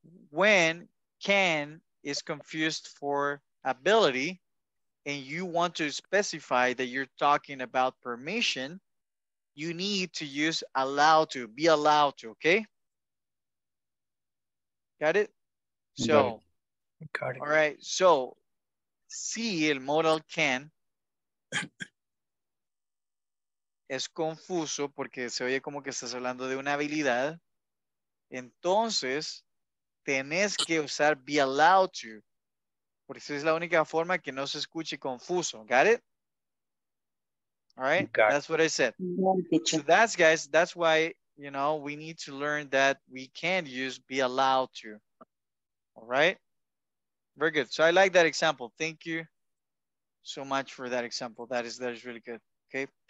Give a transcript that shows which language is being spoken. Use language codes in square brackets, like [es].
[en] When can is confused for ability and you want to specify that you're talking about permission, you need to use allow to, be allowed to, okay? Got it? So, got it. All right. [es] So, si el modal can es confuso porque se oye como que estás hablando de una habilidad, entonces tenés que usar be allowed to. Porque es la única forma que no se escuche confuso. [en] Got it? All right? Got that's it. What I said. So that's, guys, that's why, you know, we need to learn that we can use be allowed to. All right? Very good. So I like that example. Thank you so much for that example. That is really good. Okay?